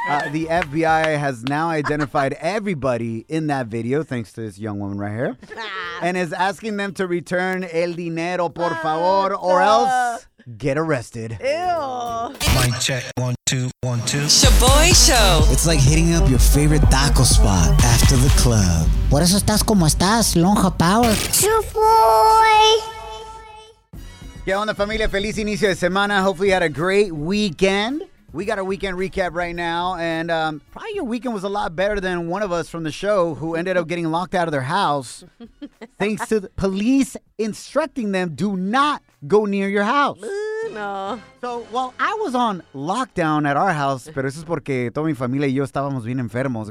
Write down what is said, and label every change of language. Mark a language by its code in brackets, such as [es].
[en] The FBI has now identified everybody in that video, thanks to this young woman right here, and is asking them to return [es] el dinero, por favor, [en] or else get arrested. Ew. Mic check. 1, 2, 1, 2. Shaboy Show. It's like hitting up your favorite taco spot after the club. [es] Por eso estás como estás, lonja power. [en] Shaboy. [es] ¿Qué onda, familia? Feliz inicio de semana. [en] Hopefully you had a great weekend. We got a weekend recap right now, and probably your weekend was a lot better than one of us from the show who ended up getting locked out of their house thanks to the police instructing them, do not go near your house. No. So, well, I was on lockdown at our house, [es] pero eso es porque toda mi familia y yo estábamos bien enfermos.